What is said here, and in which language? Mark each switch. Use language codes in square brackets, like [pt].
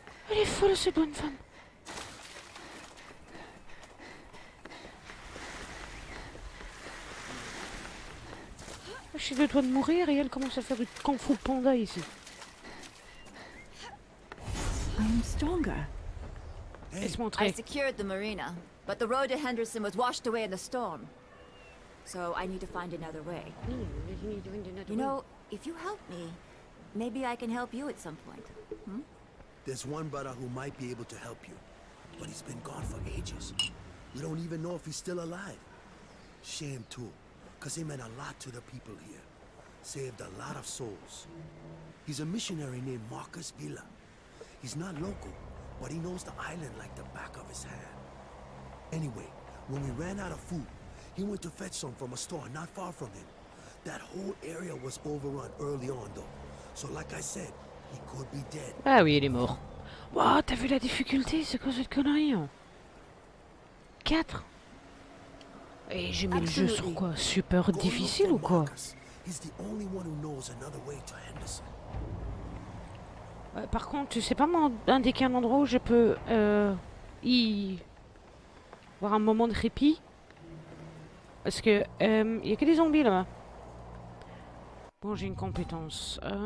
[fr] Elle est folle, cette bonne femme. Je suis de toi de mourir et elle commence à faire du kung-fu panda ici. [en] stronger. Hey. I secured the marina, but the road to Henderson was washed away in the storm. So I need to find another way. You know, if you help me, maybe I can help you at some point. Hmm? There's one brother who might be able to help you, but he's been gone for ages. We don't even know if he's still alive. Shame too, because he meant a lot to the people here. Saved a lot of souls. He's a missionary named Marcus Villa. He's not local, but he knows the island like the back of his hand. Anyway, when we ran out of food, he went to fetch some from a store not far from him. That whole area was overrun early on though. So like I said, he could be dead. [fr] Ah oui, il est mort. Wow, t'as vu la difficulté, c'est quoi cette connerie hein? 4. Et j'ai mis le jeu sur quoi? Super difficile ou quoi? [en] He's the only one who knows another way to Henderson. [fr] Par contre, tu sais pas m'indiquer un endroit où je peux y voir un moment de répit? Parce que il y a que des zombies là-bas. Bon, j'ai une compétence.